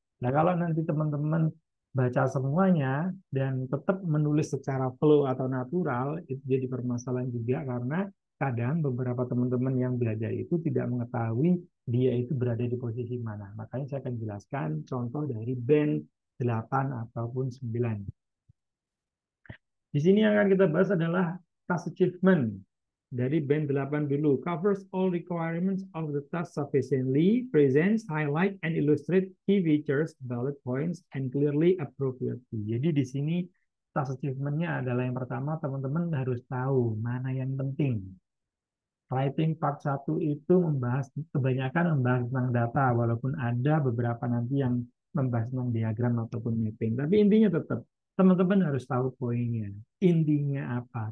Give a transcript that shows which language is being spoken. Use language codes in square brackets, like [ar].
[id] Nah, kalau nanti teman-teman baca semuanya dan tetap menulis secara flow atau natural, itu jadi permasalahan juga karena kadang beberapa teman-teman yang belajar itu tidak mengetahui dia itu berada di posisi mana. Makanya saya akan jelaskan contoh dari band 8 ataupun 9. Di sini yang akan kita bahas adalah task achievement dari band 8 dulu. [en] Covers all requirements of the task sufficiently, presents, highlight, and illustrate key features, bullet points, and clearly appropriately. [id] Jadi di sini task achievement-nya adalah yang pertama, teman-teman harus tahu mana yang penting. Writing part 1 itu membahas, kebanyakan membahas tentang data, walaupun ada beberapa nanti yang membahas tentang diagram ataupun mapping. Tapi intinya tetap, teman-teman harus tahu poinnya. Intinya apa?